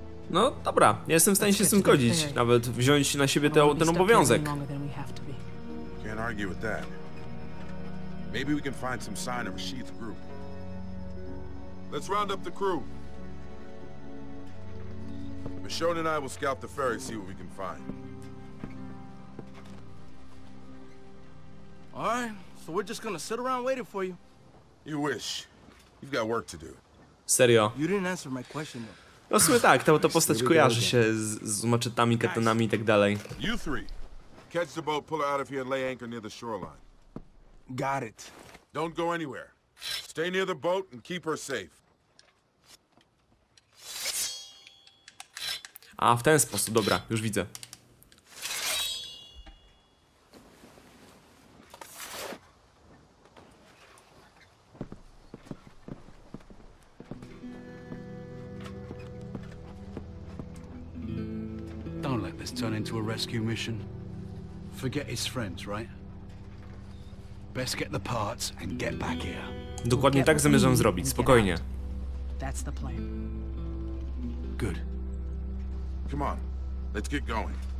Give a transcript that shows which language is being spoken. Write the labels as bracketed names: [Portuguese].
[Polish] No dobra, ja jestem w stanie się z tym zgodzić. Nawet wziąć na siebie ten obowiązek. [English] Can't argue with that. Maybe we can find some sign of Rashid's group. Let's round up the crew. Michonne and I will scout the ferry, see what we can find. Alright, so we're just gonna sit around waiting for you. You wish. You've got work to do. [Polish] Serio. [English] You didn't answer my question though. [Polish] No w sumie tak, ta postać kojarzy się z maczetami, katanami i tak dalej. [English] You three, catch the boat, pull her out of here and lay anchor near the shoreline. Got it. Don't go anywhere. Stay near the boat and keep her safe. [Polish] A w ten sposób, dobra, już widzę. [English] Turn into a rescue mission. Forget his friends, right? Best get the parts and get back here. [Polish] Dokładnie tak zamierzam zrobić, spokojnie. [English] That's the plan. Good. Come on, let's get going.